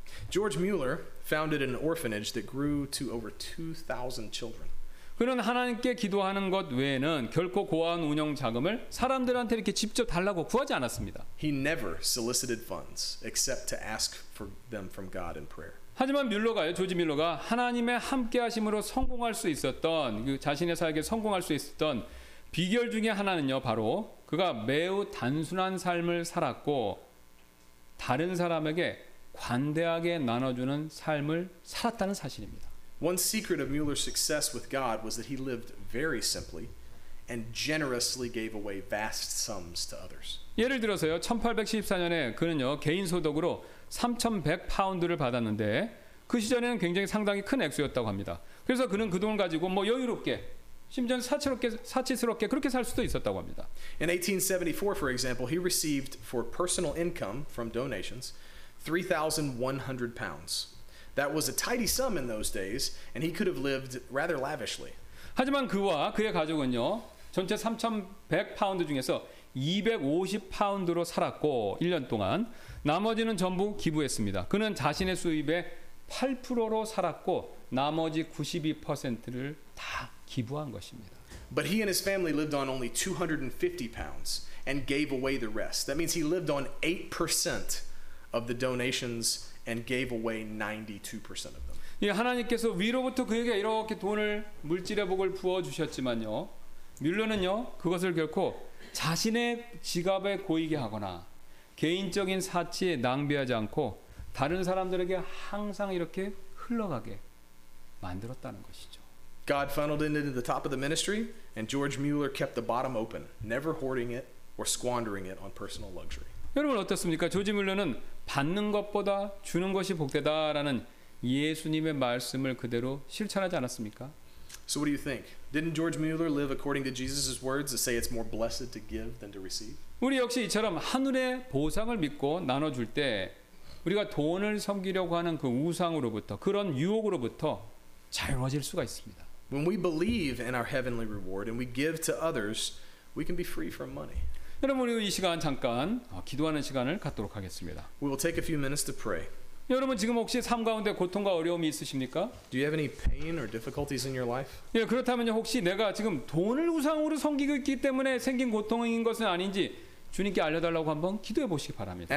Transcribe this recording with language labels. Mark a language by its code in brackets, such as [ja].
[en] George Mueller founded an orphanage that grew to over 2,000 children. [ko] 그는 하나님께 기도하는 것 외에는 결코 고아원 운영 자금을 사람들한테 이렇게 직접 달라고 구하지 않았습니다. [en] He never solicited funds except to ask for them from God in prayer. [ko] 하지만 뮬러가요, 조지 뮬러가 하나님의 함께하심으로 성공할 수 있었던 그 자신의 사역에 성공할 수 있었던 비결 중에 하나는요, 바로 그가 매우 단순한 삶을 살았고 다른 사람에게 관대하게 나눠주는 삶을 살았다는 사실입니다. [en] One secret of Mueller's success with God was that he lived very simply and generously gave away vast sums to others. [ko] 예를 들어서요, 1814년에 그는요 개인 소득으로 3,100파운드를 받았는데 그 시절에는 굉장히 상당히 큰 액수였다고 합니다. 그래서 그는 그 돈을 가지고 뭐 여유롭게 심지어는 사치스럽게 그렇게 살 수도 있었다고 합니다. [en] In 1874, for example, he received for personal income from donations 3,100 pounds. That was a tidy sum in those days, and he could have lived rather lavishly. [ko] 하지만 그와 그의 가족은요, 전체 3,100파운드 중에서 250파운드로 살았고 1년 동안 나머지는 전부 기부했습니다. 그는 자신의 수입의 8%로 살았고 나머지 92%를 다 기부한 것입니다. [en] But he and his family lived on only 250 pounds and gave away the rest. That means he lived on 8% of the donations and gave away 92% of them. [ko] 예, 하나님께서 위로부터 그에게 이렇게 돈을 물질의 복을 부어 주셨지만요. 뮬러는요, 그것을 결코 자신의 지갑에 고이게 하거나 개인적인 사치에 낭비하지 않고 다른 사람들에게 항상 이렇게 흘러가게 만들었다는 것이죠. [en] God funneled it into the top of the ministry, and George Mueller kept the bottom open, never hoarding it or squandering it on personal luxury. [ko] 여러분 어떻습니까? 조지 뮬러는 받는 것보다 주는 것이 복되다라는 예수님의 말씀을 그대로 실천하지 않았습니까? [en] So what do you think? Didn't George Mueller live according to Jesus' words to say it's more blessed to give than to receive? [ko] 우리 역시 이처럼 하늘의 보상을 믿고 나눠줄 때 우리가 돈을 섬기려고 하는 그 우상으로부터 그런 유혹으로부터 자유로워질 수가 있습니다. [en] When we believe in our heavenly reward and we give to others, we can be free from money. [ko] 여러분 우리 이 시간 잠깐 기도하는 시간을 갖도록 하겠습니다. [en] We will take a few minutes to pray. [ko] 여러분 지금 혹시 삶 가운데 고통과 어려움이 있으십니까? [en] Do you have any pain or difficulties in your life? [ko] 예, 그렇다면요 혹시 내가 지금 돈을 우상으로 섬기고 있기 때문에 생긴 고통인 것은 아닌지 주님께 알려달라고 한번 기도해 보시기 바랍니다.